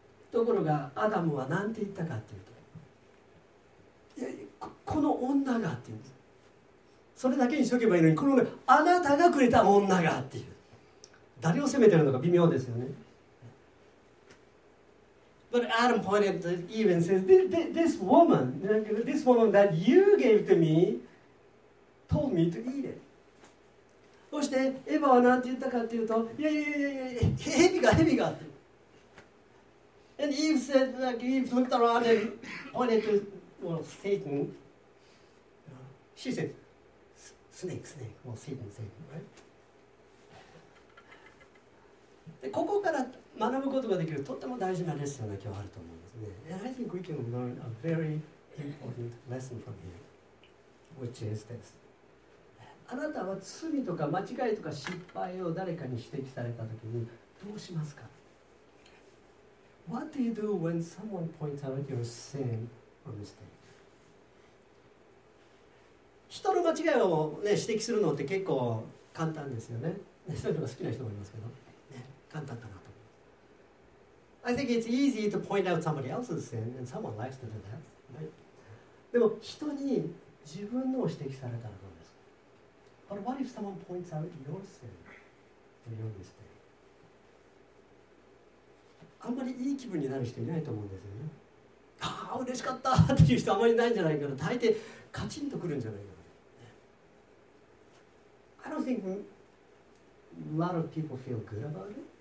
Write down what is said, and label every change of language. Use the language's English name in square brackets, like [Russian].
[Japanese] ところがアダムは何て言ったかというと、この女がって言うんです。それだけにしとけばいいのに、この女、あなたがくれた女がっていう。誰を責めてるのか微妙ですよね。 [English] But Adam pointed to Eve and says, this woman that you gave to me told me to eat it. [Japanese] そしてエヴァは何て言ったかっていうと、いや、蛇がって。 [English] And Eve said, like, Eve looked around and pointed to, well, Satan. She said, snake, well, Satan, right? [Japanese] でここから学ぶことができるとっても大事なレッスンが今日あると思うんですね。 [English] And I think we can learn a very important lesson from here, which is this. [Japanese] あなたは罪とか間違いとか失敗を誰かに指摘されたときにどうしますか？ [English] What do you do when someone points out your sin or mistake? [Japanese] 人の間違いを、ね、指摘するのって結構簡単ですよね。そういうのが好きな人もいますけど。簡単だなと。 [English] I think it's easy to point out somebody else's sin and someone likes to do that, right? [Japanese] でも人に自分のを指摘されたらどうですか？ [English] But what if someone points out your sin and your mistake? [Japanese] あんまりいい気分になる人いないと思うんですよね。ああ、嬉しかったっていう人あんまりないんじゃないかな。大抵カチンとくるんじゃないかな。 [English] I don't think a lot of people feel good about it.